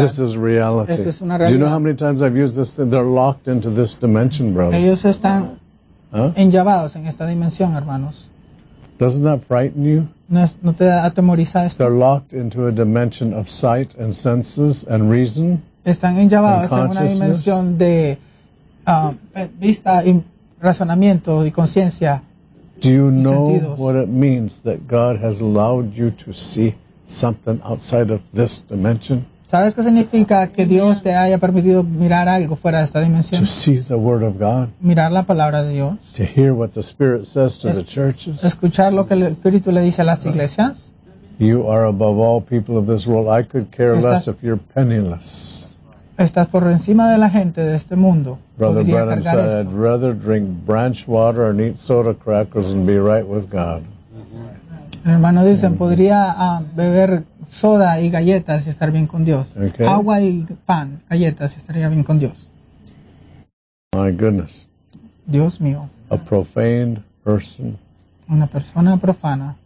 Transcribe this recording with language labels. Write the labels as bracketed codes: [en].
[en] This is reality. [es] Esta es una realidad. [en] Do you know how many times I've used this thing? They're locked into this dimension, brother. [es] Ellos están enllavados en esta dimensión, hermanos. [en] Doesn't that frighten you? [es] No te atemoriza esto. [en] They're locked into a dimension of sight and senses and reason. [es] Están enllavados en una dimensión de vista y razonamiento y conciencia. [en] Do you know [es] sentidos. [en] What it means that God has allowed you to see something outside of this dimension? [es] ¿Sabes qué significa que Dios te haya permitido mirar algo fuera de esta dimensión? [en] To see the word of God. [es] Mirar la palabra de Dios. [en] To hear what the Spirit says to the churches. [es] Escuchar lo que el Espíritu le dice a las iglesias. [en] You are above all people of this world. I could care less if you're penniless. [es] Estás por encima de la gente de este mundo. [en] Brother Branham said, I'd rather drink branch water and eat soda crackers and be right with God. [es] El hermano dice, podría beber soda y galletas y estar bien con Dios. [en] Okay. [es] Agua y pan, galletas, y estaría bien con Dios. [en] My goodness. [es] Dios mío. [en] A profaned person. [es] Una persona profana.